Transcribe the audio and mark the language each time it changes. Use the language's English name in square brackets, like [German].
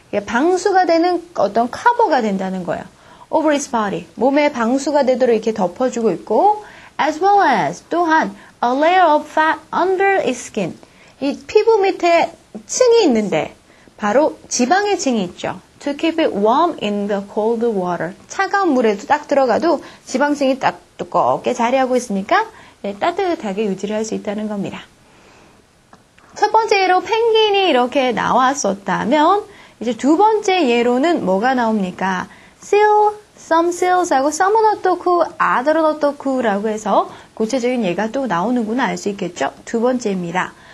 [Korean] 방수가 되는 어떤 커버가 된다는 거예요. [English] Over its body. [Korean] 몸에 방수가 되도록 이렇게 덮어주고 있고 [English] as well as [Korean] 또한 [English] a layer of fat under its skin. [Korean] 이 피부 밑에 층이 있는데 바로 지방의 층이 있죠. [English] To keep it warm in the cold water. [Korean] 차가운 물에도 딱 들어가도 지방층이 딱 두껍게 자리하고 있으니까 따뜻하게 유지를 할 수 있다는 겁니다. 첫 번째 예로 펭귄이 이렇게 나왔었다면 이제 두 번째 예로는 뭐가 나옵니까? Seal, some seals 하고 some은 어떻고 other은 어떻고라고 해서 구체적인 예가 또 나오는구나 알 수 있겠죠? 두 번째입니다.